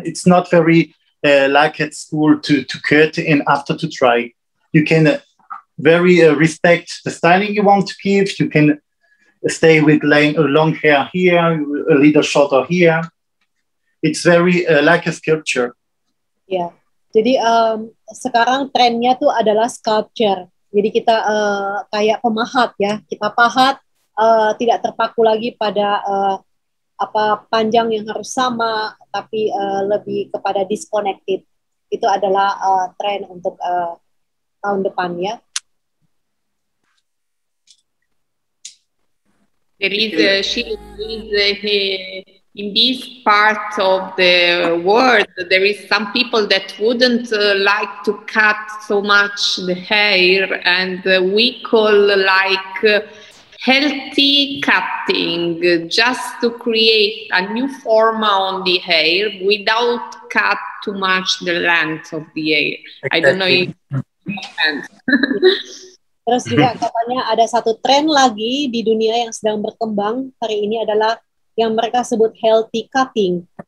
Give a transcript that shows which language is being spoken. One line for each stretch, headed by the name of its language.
English: It's not very like at school to cut and after to try. You can very respect the styling you want to give. You can stay with long hair here, a little shorter here. It's very like a sculpture. Yeah.
Indonesian: Jadi sekarang trennya tuh adalah sculpture. Jadi kita kayak pemahat ya, kita pahat, tidak terpaku lagi pada apa panjang yang harus sama, tapi lebih kepada disconnected. Itu adalah tren untuk tahun depan ya.
English: There is in this part of the world, there is some people that wouldn't like to cut so much the hair, and we call like healthy cutting, just to create a new form on the hair without cut too much the length of the hair. Exactly. I don't know if you understand.
Indonesian: Terus juga katanya ada satu tren lagi di dunia yang sedang berkembang hari ini adalah yang mereka sebut healthy cutting.